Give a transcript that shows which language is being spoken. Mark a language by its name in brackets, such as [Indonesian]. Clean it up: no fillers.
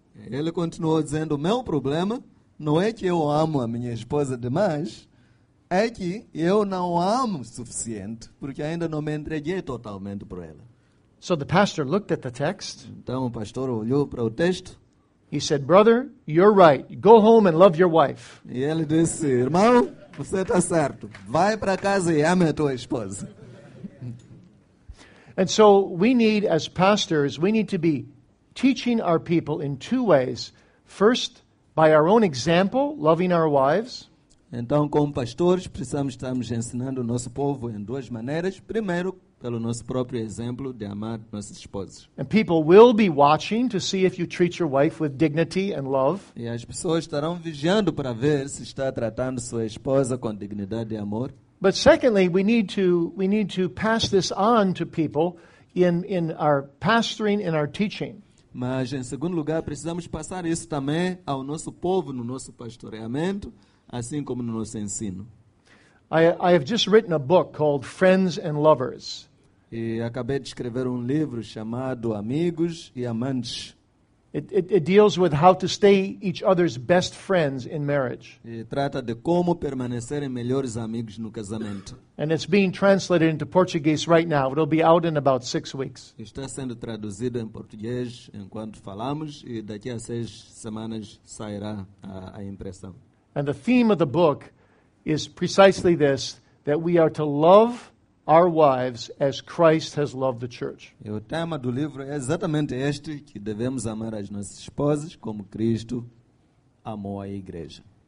[Portuguese] Ele continuou dizendo, o meu problema não é que eu amo a minha esposa demais, é que eu não amo o suficiente, porque ainda não me entreguei totalmente para ela. [English] So the pastor looked at the text. [Portuguese] Então o pastor olhou para o texto. [English] He said, brother, you're right. Go home and love your wife. [Portuguese] E ele disse, irmão, você está certo. Vai para casa e ame a tua esposa. [English] And so we need, as pastors, we need to be teaching our people in two ways. First, by our own example, loving our wives. [Portuguese] Então, como pastores, precisamos estarmos ensinando o nosso povo em duas maneiras. Primeiro, pelo nosso próprio exemplo de amar nossas esposas. [English] And people will be watching to see if you treat your wife with dignity and love. [Portuguese] E as pessoas estarão vigiando para ver se está tratando sua esposa com dignidade e amor. [English] But secondly, we need to pass this on to people in our pastoring, in our teaching. [Portuguese] Mas em segundo lugar, precisamos passar isso também ao nosso povo no nosso pastoreamento, assim como no nosso ensino. [English] I have just written a book called Friends and Lovers. [Portuguese] E acabei de escrever um livro chamado Amigos e Amantes. [English] It deals with how to stay each other's best friends in marriage. [Portuguese] E trata de como permanecerem melhores amigos no casamento. [English] And it's being translated into Portuguese right now. It'll be out in about 6 weeks. [Portuguese] Está sendo traduzido em português enquanto falamos e daqui a 6 semanas sairá a impressão. [English] And the theme of the book is precisely this, that we are to love our wives as Christ has loved the church. [Portuguese] E o tema do livro é exatamente este, que devemos amar as nossas esposas como Cristo amou a igreja.